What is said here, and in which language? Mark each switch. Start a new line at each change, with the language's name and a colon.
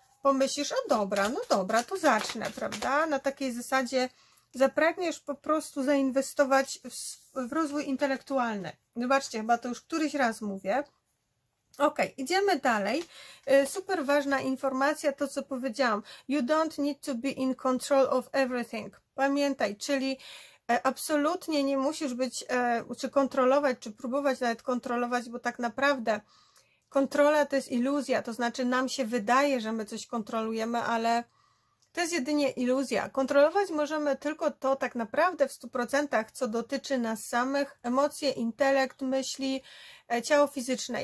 Polish: pomyślisz, o dobra, no dobra, to zacznę, prawda? Na takiej zasadzie zapragniesz po prostu zainwestować w rozwój intelektualny. Zobaczcie, chyba to już któryś raz mówię. Ok, idziemy dalej. Super ważna informacja, to co powiedziałam.
English: You don't need to be in control of everything.
Polish: Pamiętaj, czyli absolutnie nie musisz być, czy kontrolować, czy próbować nawet kontrolować, bo tak naprawdę kontrola to jest iluzja, to znaczy nam się wydaje, że my coś kontrolujemy, ale to jest jedynie iluzja. Kontrolować możemy tylko to tak naprawdę w 100%, co dotyczy nas samych, emocje, intelekt, myśli, ciało fizyczne.